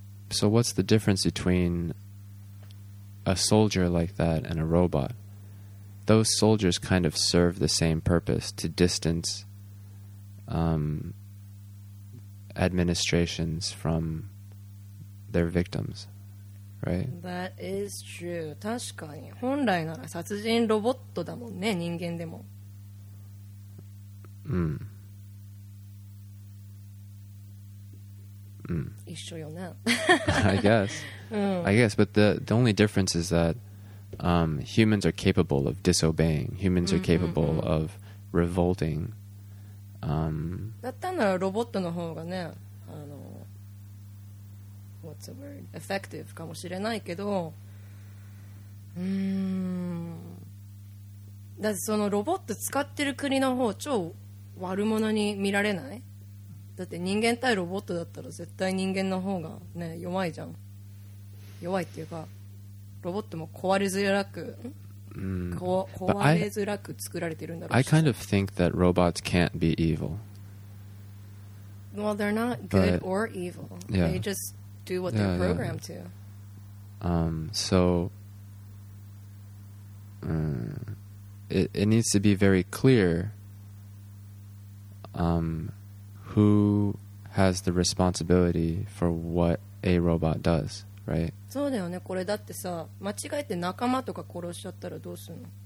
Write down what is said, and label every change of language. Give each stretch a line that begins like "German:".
English: So what's the difference between a soldier like that and a robot? Those soldiers kind of serve the same purpose to distance、administrations from their victims, right? That is true.
Japanese: 確かに。本来なら殺人ロボットだもんね、人間でも。うん。うん。一緒よね。
English: I guess.、
Japanese: うん、
English: I guess, but the only difference is thathumans are capable of disobeying. Humans are capable of revolting.
Japanese: だったならロボットの方がね、
English: what's the word? Effective
Japanese: かもしれないけど、だってそのロボット使ってる国の方超悪者に見られない？だって人間対ロボットだったら絶対人間の方がね弱いじゃん。弱いっていうかロボットも壊れづらく、壊れづらく作られてるんだろうし。
English: I kind of think that robots can't be evil. Well, they're not good but, or evil. Yeah. They just do what yeah, they're programmed yeah. to. So, it needs to be very clear who has the responsibility for what a robot does. Right.
Japanese: そうだよね。これだってさ、間違えて仲間とか殺しちゃったらどうするの？